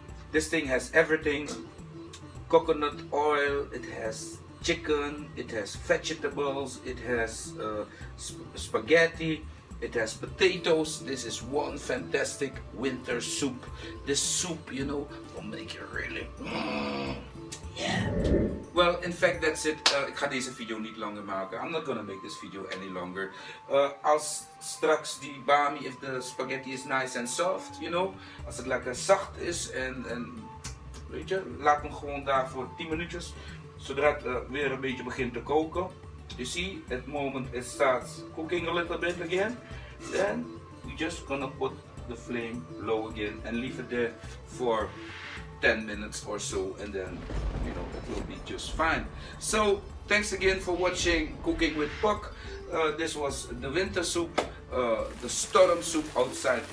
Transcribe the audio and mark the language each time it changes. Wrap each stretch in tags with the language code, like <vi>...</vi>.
<en>This thing has everything. Coconut oil, it has chicken, it has vegetables, it has spaghetti, it has potatoes. This is one fantastic winter soup. This soup, you know, will make you really... Yeah. Well, in fact, that's it.</en> <nl>Ik ga deze video niet langer maken.</nl> <en>I'm not gonna make this video any longer.</en> <nl>Als straks die bami,</nl> <en>if the spaghetti is nice and soft, you know.</en> <nl>Als het lekker zacht is en weet je, laat hem gewoon daar voor 10 minuutjes. Zodra het weer een beetje begint te koken.</nl> <en>You see, at the moment it starts cooking a little bit again. Then, we're just gonna put the flame low again and leave it there for 10 minutes or so, and then, you know, it will be just fine. So, thanks again for watching Cooking with Puck. This was the winter soup, the storm soup outside.</en>